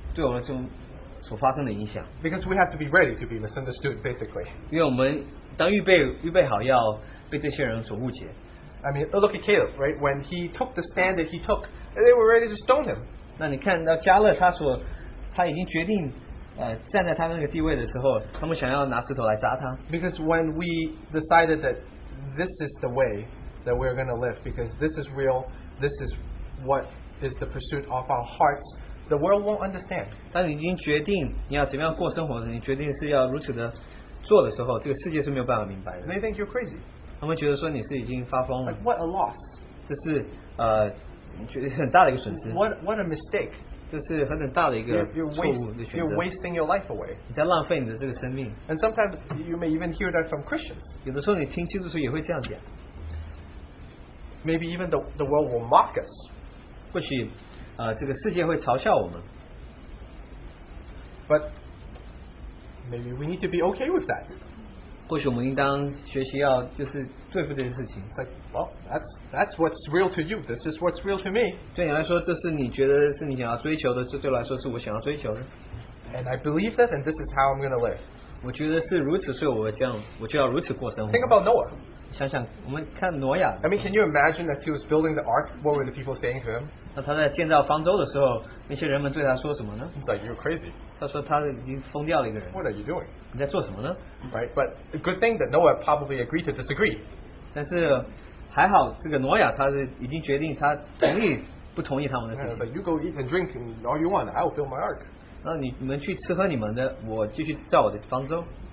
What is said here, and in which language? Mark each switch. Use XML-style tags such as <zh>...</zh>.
<zh>那我们要完全跟从他的话，我们也要知道，对于世界来说，所会对我们所发生的影响。</zh> <en>Because we have to be ready to be misunderstood, basically.</en> <zh>因为我们当预备好要被这些人所误解。</zh> <en>I mean, look at Caleb, right? When he took the stand that he took, they were ready to stone him.</en> <zh>那你看到加勒，他已经决定。站在他那个地位的时候，他们想要拿石头来砸他。</zh> <en>Because when we decided that this is the way that we're going to live, because this is real, this is what is the pursuit of our hearts, the world won't understand.</en> <zh>当你已经决定你要怎么样过生活，你决定是要如此的做的时候，这个世界是没有办法明白的。</zh> <en>They think you're crazy.</en> <zh>他们觉得说你是已经发疯了。</zh> <en>Like what a loss.</en> <zh>这是觉得很大的一个损失。</zh> <en>What a mistake.</en> <zh>这是很大的一个错误的选择。</zh> <en>You're wasting your life away.</en> <zh>你在浪费你的这个生命。</zh> <en>And sometimes you may even hear that from Christians.</en> <zh>有的时候你听基督徒也会这样讲。</zh> <en>Maybe even the world will mock us.</en> <zh>或许, 这个世界会嘲笑我们。</zh> <en>But maybe we need to be okay with that.</en> <zh>或许我们应当学习要就是对付这件事情。</zh> <en>Like, well, that's what's real to you. This is what's real to me.</en> <zh>对你来说，这是你觉得是你想要追求的，这对我来说是我想要追求的。</zh> <en>And I believe that, and this is how I'm going to live.</en> <zh>我觉得是如此，所以我就要如此过生活。</zh> <en>Think about Noah.</en> <zh>想想，我们看挪亚。</zh> <en>I mean, can you imagine as he was building the ark, what were the people saying to him?</en> <zh>那他在建造方舟的时候，那些人们对他说什么呢？</zh> <en>Like, you're crazy.</en> <zh>他说他已经疯掉了一个人。</zh> <en>What are you doing?</en> <zh>你在做什么呢?</zh> <en>Right, but a good thing that Noah probably agreed to disagree.</en> <zh>但是还好这个挪亚他是已经决定他同意不同意他们的事情。</zh> <en>But you go eat and drink and all you want, I will build my ark.</en> <zh>那你们去吃喝你们的，我继续造我的方舟。</zh>